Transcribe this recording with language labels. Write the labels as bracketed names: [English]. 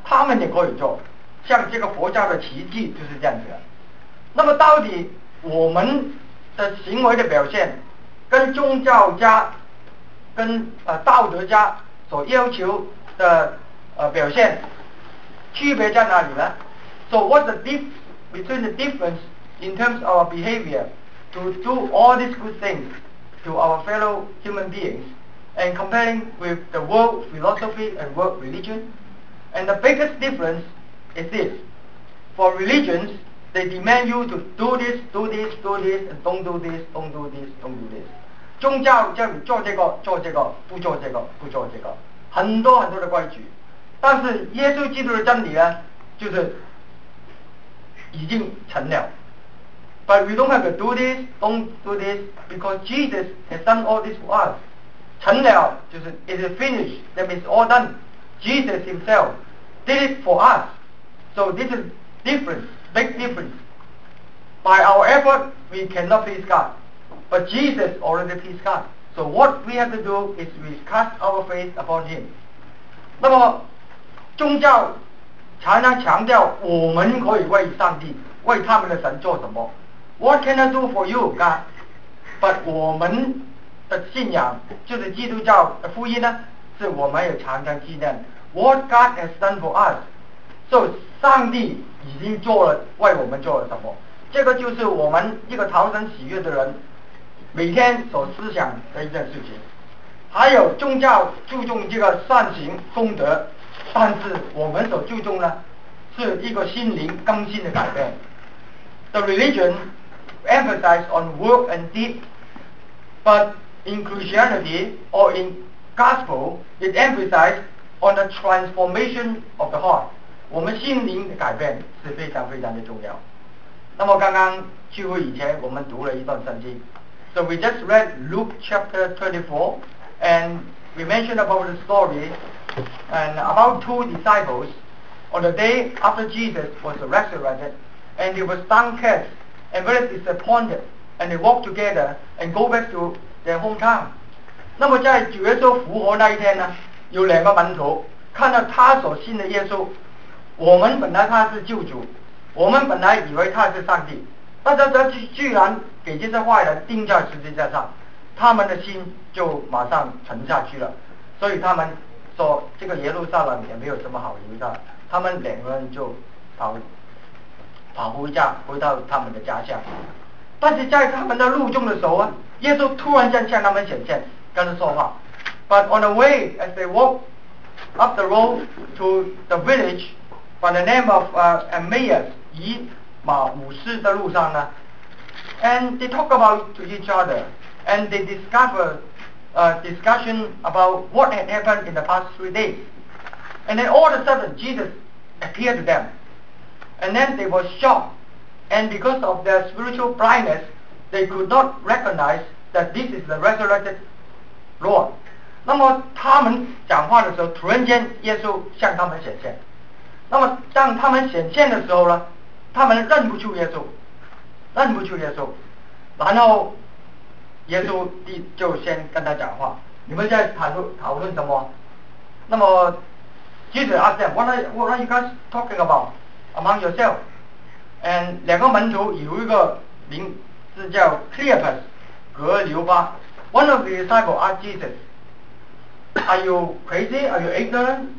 [Chinese] 他们也可以做，像这个佛教的奇迹就是这样子的。那么到底我们的行为的表现跟宗教家跟道德家所要求的表现区别在哪里呢？ [English] So what's the difference between the difference in terms of our behavior to do all these good things to our fellow human beings and comparing with the world philosophy and world religion? And the biggest difference is this. For religions, they demand you to do this, do this, do this, and don't do this, don't do this, don't do this. [Chinese] 宗教叫你做这个做这个不做这个不做这个，很多很多的规矩。但是耶稣基督的真理呢，就是已经成了。 [English] But we don't have to do this, don't do this, because Jesus has done all this for us. [Chinese] 成了就是 [English] it is finished, that means all done. Jesus himself did it for us. So this is difference, big difference. By our effort, we cannot please God. But Jesus already pleased God. So what we have to do is we cast our faith upon him. [Chinese] 那么宗教常常强调我们可以为上帝为他们的神做什么。 [English] What can I do for you, God? But [Chinese] 我们的信仰就是基督教的福音呢，是我们有常常纪念 [English] What God has done for us. [Chinese] So 上帝已经做了，为我们做了什么。这个就是我们一个讨神喜悦的人每天所思想的一件事情。还有宗教注重这个善行功德，但是我们所注重呢，是一个心灵更新的改变。 [English] The religion emphasize on work and deed, but in Christianity or in gospel, it emphasize on the transformation of the heart. [Chinese] 我们心灵的改变是非常非常的重要。那么刚刚聚会以前，我们读了一段圣经。 [English] So we just read Luke chapter 24, and we mentioned about the story. And about two disciples on the day after Jesus was resurrected, and they were downcast and very disappointed, and they walked together and go back to their hometown. [Chinese] 那么在主耶稣复活那一天呢，有两个门徒看到他所信的耶稣，我们本来他是救主，我们本来以为他是上帝，但是他居然给这些坏人钉在十字架上，他们的心就马上沉下去了，所以他们说这个耶路撒冷也没有什么好留的，他们两个人就跑回到他们的家乡。但是在他们的路中的时候啊，耶稣突然间向他们显现，跟他说话。 [English] But on the way, as they walk up the road to the village by the name of Emmaus, [Chinese] 以马五斯的路上呢 [English] ，and they talk about to each other, and they discover. Discussion about what had happened in the past 3 days. And then all of a sudden, Jesus appeared to them. And then they were shocked. And because of their spiritual blindness, they could not recognize that this is the resurrected Lord. [Chinese] 那么他们讲话的时候，突然间耶稣向他们显现。那么当他们显现的时候呢，他们认不出耶稣，认不出耶稣。然后耶稣就先跟他讲话，你们在讨论什么？那么 [English] Jesus asked them, what are you guys talking about among yourselves? [Chinese] And 两个门徒有一个名字叫 Cleopas, 格留巴。 [English] One of the disciples asked Jesus, Are you crazy? Are you ignorant?